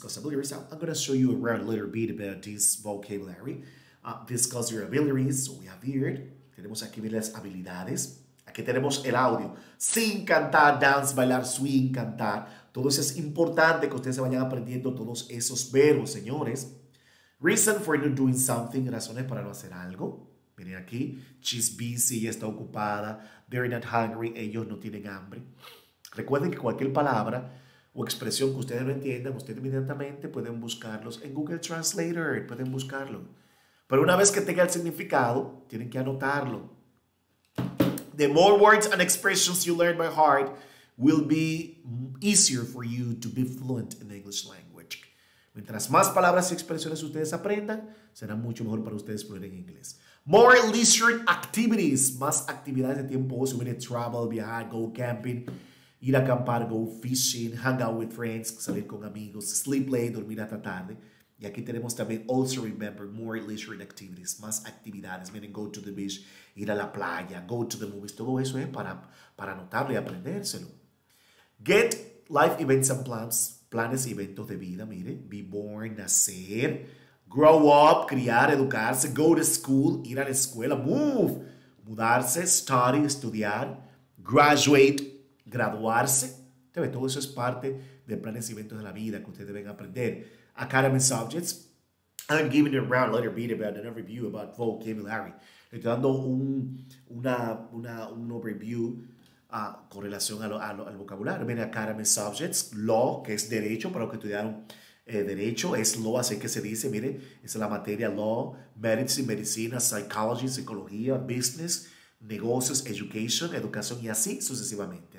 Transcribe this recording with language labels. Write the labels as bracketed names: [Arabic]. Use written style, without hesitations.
[English] I'm going to show you around a little bit about this vocabulary. Discuss your abilities. So we have here. [Spanish] Tenemos aquí las habilidades. Aquí tenemos el audio. Sin cantar, dance, bailar, swing, cantar. Todo eso es importante, que ustedes se vayan aprendiendo todos esos verbos, señores. [English] Reason for not doing something. [Spanish] Razones para no hacer algo. Miren aquí. [English] She's busy, [Spanish] ella está ocupada. [English] They're not hungry. [Spanish] Ellos no tienen hambre. Recuerden que cualquier palabra o expresión que ustedes no entiendan, ustedes inmediatamente pueden buscarlos en Google Translator. Pueden buscarlo. Pero una vez que tenga el significado, tienen que anotarlo. [English] The more words and expressions you learn by heart will be easier for you to be fluent in the English language. [Spanish] Mientras más palabras y expresiones ustedes aprendan, será mucho mejor para ustedes poder en inglés. [English] More leisure activities. [Spanish] Más actividades de tiempo. [English] So many travel, viajar, go camping, [Spanish] ir a acampar, [English] go fishing, hang out with friends, [Spanish] salir con amigos, [English] sleep late, [Spanish] dormir hasta tarde. Y aquí tenemos también, [English] also remember, more leisure activities, [Spanish] más actividades. Miren, [English] go to the beach, [Spanish] ir a la playa, [English] go to the movies. [Spanish] Todo eso es para anotarlo y aprendérselo. [English] Get life events and plans, [Spanish] planes y eventos de vida. Miren, [English] be born, [Spanish] nacer, [English] grow up, [Spanish] criar, educarse, [English] go to school, [Spanish] ir a la escuela, move, mudarse, study, estudiar, graduate, graduarse. Todo eso es parte de planes y eventos de la vida que ustedes deben aprender. [English] Academic subjects. I'm giving a round letter beat about an overview about vocabulary. [Spanish] Le estoy dando un overview con relación al vocabulario. Viene [English] academic subjects. [Spanish] Law, que es derecho, para los que estudiaron derecho. Es law, así que se dice, mire, es la materia law. Medicine, medicina, psychology, psicología, business, negocios, education, educación y así sucesivamente.